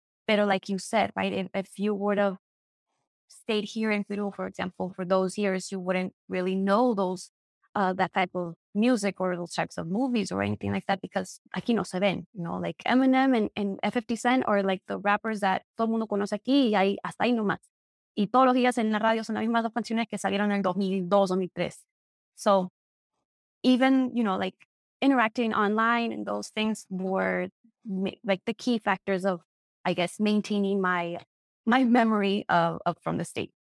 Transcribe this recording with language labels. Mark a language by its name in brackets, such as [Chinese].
[English] But like you said, right, if you would have stayed here in Peru, for example, for those years, you wouldn't really know those that type of music or those types of movies or anything like that, because [Spanish] aquí no se ven, [English] you know, like Eminem and F50 Cent are like the rappers that [Spanish] todo el mundo conoce aquí y hay hasta ahí nomás. Y todos los días en la radio son las mismas dos canciones que salieron en 2002 o 2003. [English] So even, you know, like interacting online and those things were like the key factors of, I guess, maintaining my memory of from the state.